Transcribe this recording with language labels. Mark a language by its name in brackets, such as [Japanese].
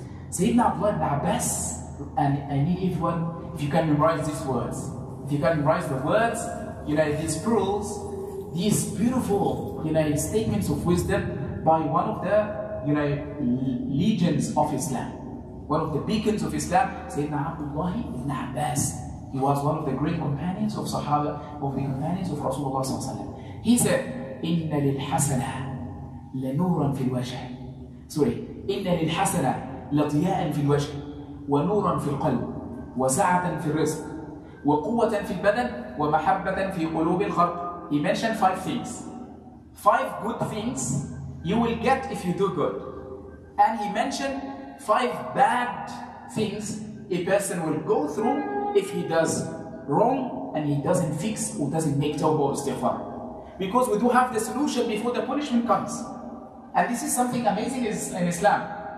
[English] Sayyidina Abdullah ibn Abbas, and I need everyone, if you can memorize these words, if you can memorize the words, you know, these pearls, these beautiful, you know, statements of wisdom by one of the, you know, legends of Islam, one of the beacons of Islam, Sayyidina Abdullah ibn Abbas. He was one of the great companions of Sahaba, of the companions of Rasulullah. He said, [Arabic] إِنَّ لِلْحَسَنَةَ لَنُورًا فِي الْوَجْهِ. Sorry, إِنَّ لِلْحَسَنَةَ لَضِيَاءً فِي الْوَجْهِ وَنُورًا فِي الْقَلْبِ وَسَعَةً فِي الرِّزْقِ وَقُوَّةً فِي الْبَدَنِ وَمَحَبَّةً فِي قُلُوبِ الْخَلْقِ. [English] He mentioned five things. five good things you will get if you do good. And he mentioned five bad things a person will go through if he does wrong and he doesn't fix or doesn't make tawbah or istighfar. Because we do have the solution before the punishment comes. And this is something amazing in Islam.